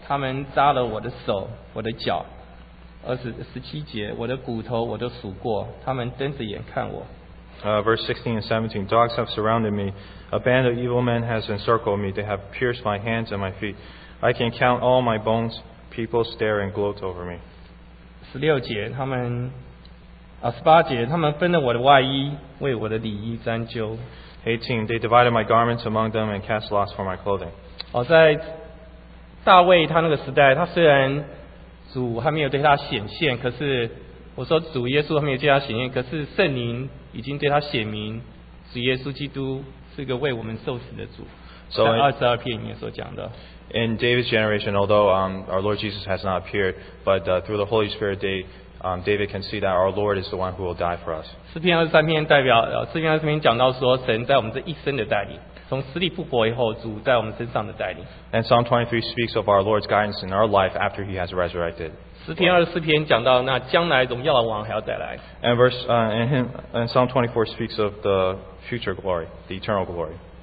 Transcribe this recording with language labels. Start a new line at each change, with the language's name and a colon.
Chinese: 然后在22篇第16节这边讲到说，犬类围着我，恶党环绕我，他们扎了我的手，我的脚。27节，我的骨头我都数过，他们睁着眼看我。
English: Verse 16 and 17, dogs have surrounded me, a band of evil men has encircled me, they have pierced my hands and my feet. I can count all my bones, people stare and gloat over me.
Chinese: 18节，他们分了我的外衣，为我的里衣沾灸。
English: 18, they divided my garments among them and cast lots for my clothing.
Chinese: 在大卫他那个时代，他虽然 主还没有对他显现，可是我说主耶稣还没有对他显现，可是圣灵已经对他显明，主耶稣基督是一个为我们受死的主。
English: So
Chinese: 在22篇里面所讲的。
English: in David's generation, although our Lord Jesus has not appeared, but through the Holy Spirit, David can see that our Lord is the one who will die for us.
Chinese: 诗篇23篇讲到说神在我们这一生的带领，从死里复活以后，主在我们身上的带领。
English: And Psalm 23 speaks of our Lord's guidance in our life after He has resurrected.
Chinese: 诗篇24篇讲到那将来荣耀的王还要再来。
English: And verse and Psalm 24 speaks of the future glory, the eternal glory.